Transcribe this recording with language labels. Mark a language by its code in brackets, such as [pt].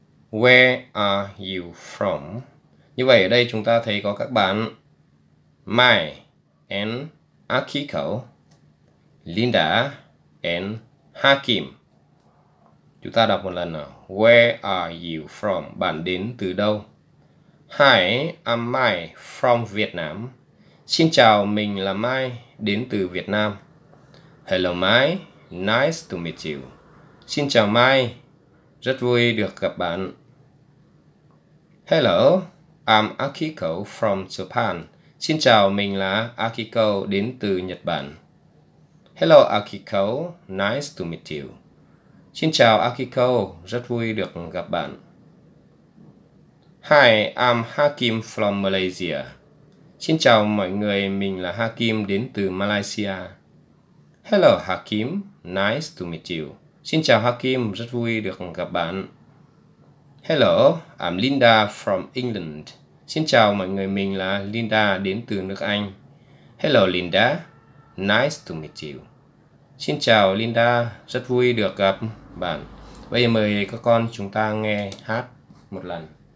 [en] Where are you from? [vi] Như vậy ở đây chúng ta thấy có các bạn Mai and Akiko, Linda and Hakim. Chúng ta đọc một lần nào. [en] Where are you from? [vi] Bạn đến từ đâu? [en] Hi, I'm Mai from Vietnam. [vi] Xin chào, mình là Mai, đến từ Việt Nam. [en] Hello Mai, nice to meet you. [vi] Xin chào Mai, rất vui được gặp bạn. [en] Hello, I'm Akiko from Japan. [vi] Xin chào, mình là Akiko, đến từ Nhật Bản. [en] Hello Akiko, nice to meet you. [vi] Xin chào Akiko, rất vui được gặp bạn. [en] Hi, I'm Hakim from Malaysia. [vi] Xin chào mọi người, mình là Hakim đến từ Malaysia. [en] Hello Hakim, nice to meet you. [vi] Xin chào Hakim, rất vui được gặp bạn. [en] Hello, I'm Linda from England. [vi] Xin chào mọi người, mình là Linda đến từ nước Anh. [en] Hello Linda, nice to meet you. [vi] Xin chào Linda, rất vui được gặp bạn. Bây giờ mời các con chúng ta nghe hát một lần.